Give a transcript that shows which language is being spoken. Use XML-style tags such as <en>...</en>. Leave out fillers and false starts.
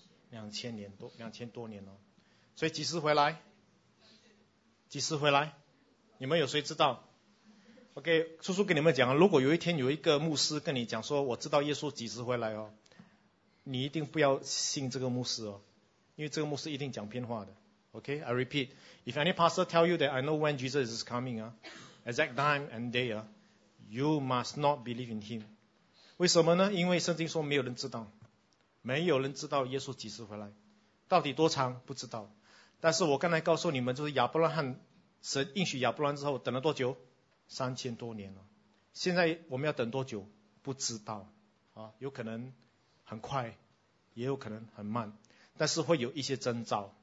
<zh>两千多年哦，所以几时回来？你们有谁知道 ？OK， 叔叔跟你们讲，如果有一天有一个牧师跟你讲说，我知道耶稣几时回来哦，你一定不要信这个牧师哦，因为这个牧师一定讲偏话的。</zh> <en>OK，I、okay? repeat， if any pastor tell you that I know when Jesus is coming 啊 ，exact time and day 啊 ，you must not believe in him。</en> <zh>为什么呢？因为圣经说没有人知道，没有人知道耶稣几时回来，到底多长不知道。但是我刚才告诉你们，就是亚伯拉罕。神应许亚伯兰之后等了多久？三千多年了。现在我们要等多久不知道有可能很快，也有可能很慢，但是会有一些征兆。</zh>